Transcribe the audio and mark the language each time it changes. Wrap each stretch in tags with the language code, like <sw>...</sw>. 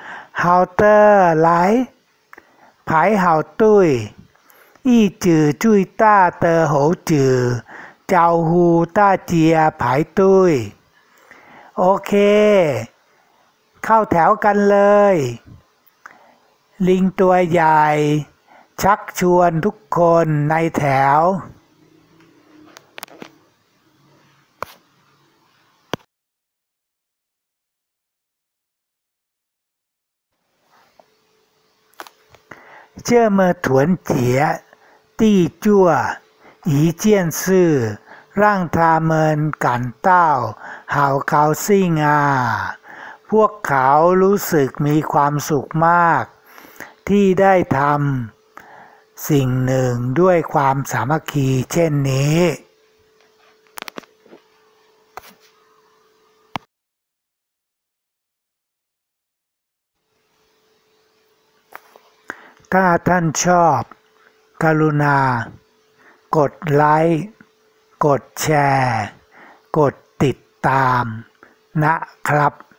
<zh>好的，来，排好队，一只最大的猴子招呼大家排队。</zh> <th>OK，เข้าแถวกันเลย。 ลิงตัวใหญ่ชักชวนทุกคนในแถว。</th> <zh>这么团结，地做一件事，让他们感到好高兴啊！</zh> <th>พวกเขารู้สึกมีความสุขมากที่ได้ทำสิ่งหนึ่งด้วยความสามัคคีเช่นนี้ถ้าท่านชอบกรุณากดไลค์กดแชร์กดติดตามนะครับ</th>